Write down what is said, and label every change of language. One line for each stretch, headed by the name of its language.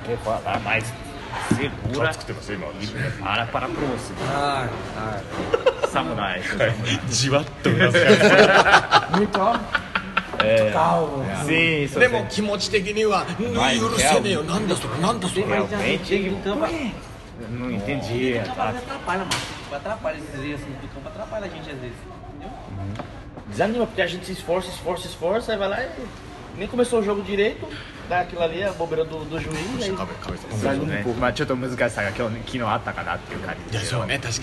Japanese: ちょっと作ってます今私。あらパラプロス。はいはい。サムライ。じわっとうなずく。見た。でも気持ち的にはぬい許せねえよ。なんだそれなんだそれ。めっちゃ言ってる。
Portuguese: Não entendi. Ele atrapalha, mano. Atrapalha esses dias assim, do campo, atrapalha a gente às vezes. Entendeu? Desanima, porque a gente se esforça, esforça, esforça, aí vai lá e nem começou o jogo direito.
Japanese: だからあれは、ボベラの主人公です。ちょっと難しさが昨日あったかなっていう感じですよね。